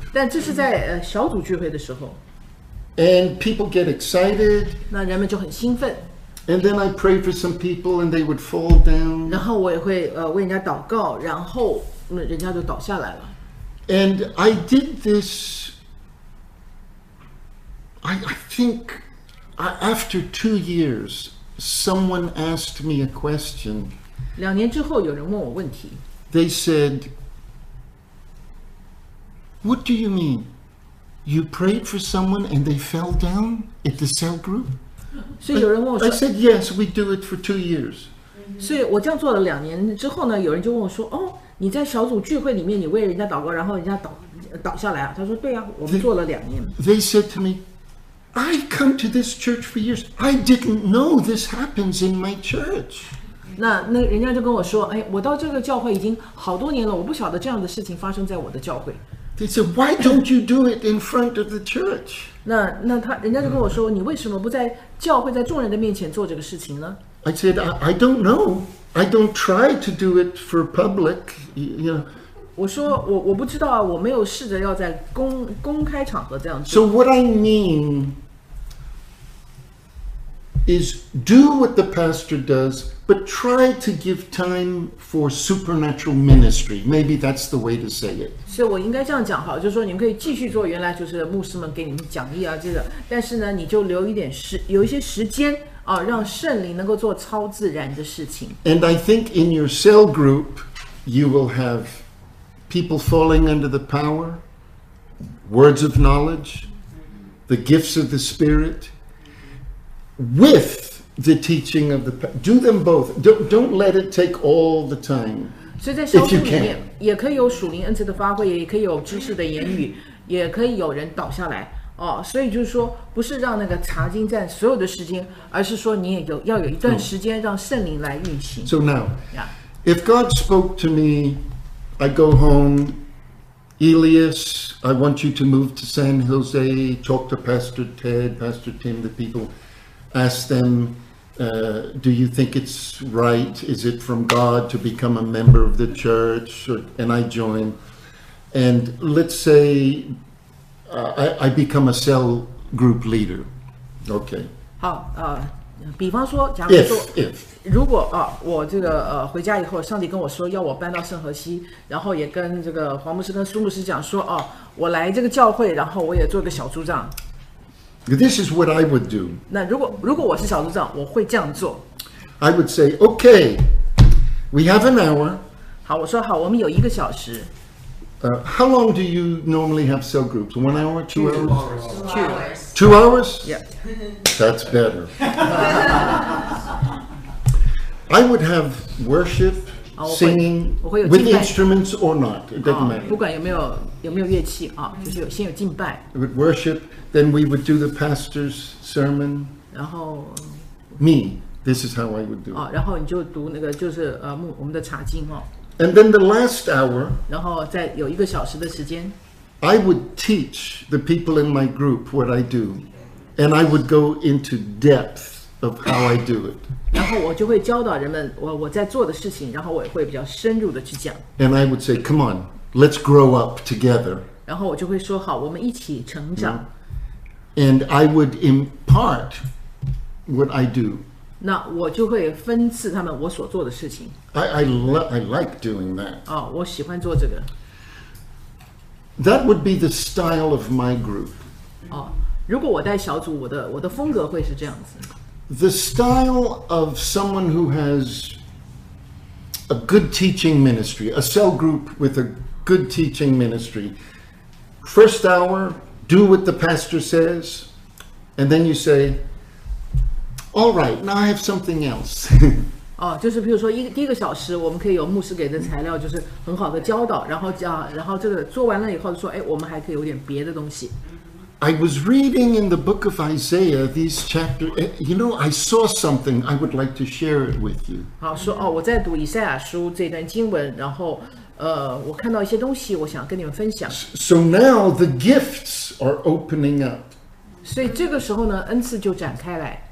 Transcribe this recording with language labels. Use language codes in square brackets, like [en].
[zh] 但这是在小组聚会的时候。 [en] And people get excited. [zh] 那人们就很兴奋。 [en] And then I pray for some people, and they would fall down. [zh] 然后我也会为人家祷告，然后人家就倒下来了。 [en] And I did this. I think after 2 years, someone asked me a question. [zh] 两年之后，有人问我问题。 [en] They said, "What do you mean?" You prayed for someone and they fell down at the cell group? So [zh] 有人问我说 [en] I said, yes, we do it for 2 years. [zh] 所以我这样做了两年之后呢，有人就问我说，哦，你在小组聚会里面你为人家祷告，然后人家倒下来啊？他说，对啊，我们做了两年。 [en] They said to me, I've come to this church for years. I didn't know this happens in my church. [zh] 那人家就跟我说，哎，我到这个教会已经好多年了，我不晓得这样的事情发生在我的教会。 [en] They said, "Why don't you do it in front of the church?" [zh] 那他人家就跟我说，你为什么不在教会在众人的面前做这个事情呢？ [en] I said, "I don't know. I don't try to do it for public." You know. [zh] 我说我不知道啊，我没有试着要在公开场合这样做。 [en] So what I mean is, do what the pastor does, but try to give time for supernatural ministry. Maybe that's the way to say it. [zh] 所以我应该这样讲好，就是说你们可以继续做原来就是牧师们给你们讲义啊，这个。但是呢，你就留一点有一些时间啊，让圣灵能够做超自然的事情。 [en] And I think in your cell group, you will have people falling under the power, words of knowledge, the gifts of the Spirit. With the teaching of the, do them both. Don't let it take all the time. So in [zh] 小组里面也可以有属灵恩赐的发挥，也可以有知识的言语，也可以有人倒下来哦。所以就是说，不是让那个查经占所有的时间，而是说你也要有一段时间让圣灵来运行。 [en] So now, yeah. If God spoke to me, I go home. Elias, I want you to move to San Jose. Talk to Pastor Ted, Pastor Tim, the people. Ask them, do you think it's right? Is it from God to become a member of the church? And I join. And let's say I become a cell group leader. Okay. [zh] 好，比方说，假如说， [en] if. [zh] 如果啊，我这个回家以后，上帝跟我说要我搬到圣何西，然后也跟这个黄牧师跟苏牧师讲说，哦，我来这个教会，然后我也做个小组长。 [en] This is what I would do. [zh] 那如果我是小组长，我会这样做。 [en] I would say, okay, we have an hour. [zh] 好，我说好，我们有一个小时。 [en] How long do you normally have cell groups? 1 hour, 2 hours? 2 hours. 2 hours? Yeah. That's better. I would have worship, singing, with instruments or not. It doesn't matter. [zh] 不管有没有乐器啊，就是先有敬拜。 [en] I would worship. Then we would do the pastor's sermon. [zh] 然后 [en] me, this is how I would do. [zh] 然后你就读那个就是我们的查经哦。 [en] And then the last hour, [zh] 然后再有一个小时的时间, [en] I would teach the people in my group what I do, and I would go into depth of how I do it. [zh] 然后我就会教导人们我在做的事情，然后我也会比较深入的去讲。 [en] And I would say, come on, let's grow up together. [zh] 然后我就会说好，我们一起成长。 [en] And I would impart what I do. [zh] 那我就会分赐他们我所做的事情。 [en] I like doing that. [zh] 哦，我喜欢做这个。 [en] That would be the style of my group. [zh] 哦，如果我带小组，我的风格会是这样子。 [en] The style of someone who has a good teaching ministry, a cell group with a good teaching ministry. First hour, do what the pastor says, and then you say, all right, now I have something else. [zh] 哦，就是比如说第一个小时我们可以有牧师给的材料，就是很好的教导，然后这个做完了以后说，哎，我们还可以有点别的东西。 [en] I was reading in the book of Isaiah these chapters. You know, I saw something. I would like to share it with you. [zh] 好，说哦，我在读以赛亚书这段经文，然后我看到一些东西，我想跟你们分享。 [en] So now the gifts are opening up. [zh] 所以这个时候呢，恩赐就展开来。